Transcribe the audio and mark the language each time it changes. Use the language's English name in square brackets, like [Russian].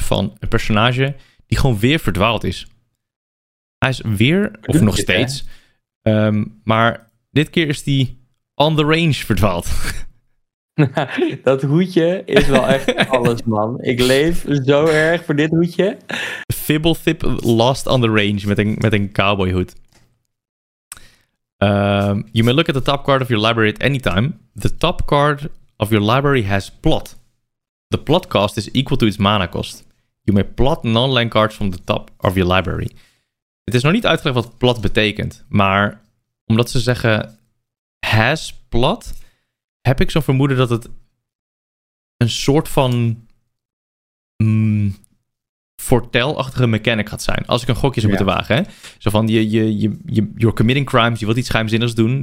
[Dutch] Van een personage. Die gewoon weer verdwaald is. Hij is weer. Of nog steeds. Maar dit keer is die on the range verdwaald. Dat hoedje is wel echt alles, man. Ik leef zo erg voor dit hoedje. Fibblethip lost on the range met een cowboy hoed. [English] You may look at the top card of your library at any time. The top card of your library has plot. The plot cost is equal to its mana cost. You may plot non-land cards from the top of your library. [Dutch] Het is nog niet uitgelegd wat plot betekent, maar omdat ze zeggen has plot, heb ik zo'n vermoeden dat het een soort van voortelachtige mechanic gaat zijn. Als ik een gokje zou moeten wagen. Hè? Zo van, [English] you're committing crimes, [Dutch] je wilt iets geheimzinnigs doen.